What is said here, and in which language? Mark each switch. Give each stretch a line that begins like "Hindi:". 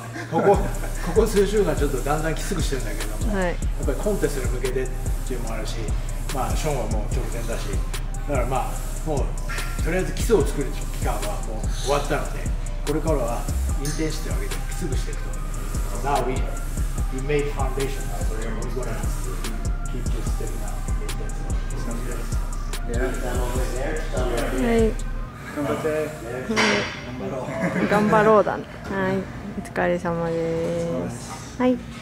Japanese: ここ数週間ちょっとだんだんきつくしてるんだけども、はい、やっぱりコンテストに向けてっていうのもあるし、まあ、ショーンはもう直前だし、だからまあ、もうとりあえず基礎を作る期間はもう終わったので、これからはインテンシティを上げてきつくしていくと。
English: So、now we made foundation, now we're going to keep this step now.
Japanese: 頑張ろうだね。はい、お疲れ様です。はい。